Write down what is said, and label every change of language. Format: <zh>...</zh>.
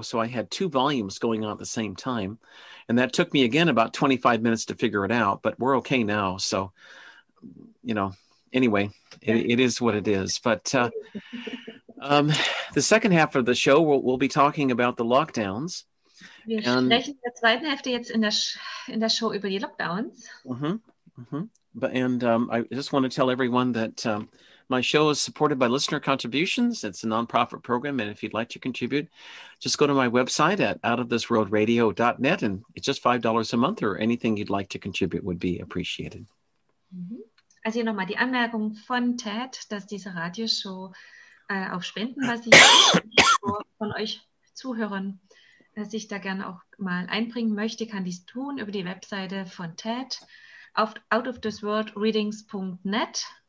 <en>So I had two volumes going on at the same time. And that took me again about 25 minutes to figure it out. But we're okay now. So, you know, anyway, it is what it is. But the second half of the show, we'll be talking about the lockdowns.</en> <de>Wir sprechen in der zweiten Hälfte jetzt in der Show über die Lockdowns.</de> <en>I just want to tell everyone that... my show is supported by listener contributions. It's a nonprofit program. And if you'd like to contribute, just go to my website at outofthisworldradio.net. And it's just $5 a month or anything you'd like to contribute would be appreciated.</en> <de>Also hier nochmal die Anmerkung von Ted, dass diese Radioshow auf Spenden basiert. Von euch Zuhörern, sich da gerne auch mal einbringen möchte, kann dies tun über die Webseite von Ted auf outofthisworldreadings.net.</de>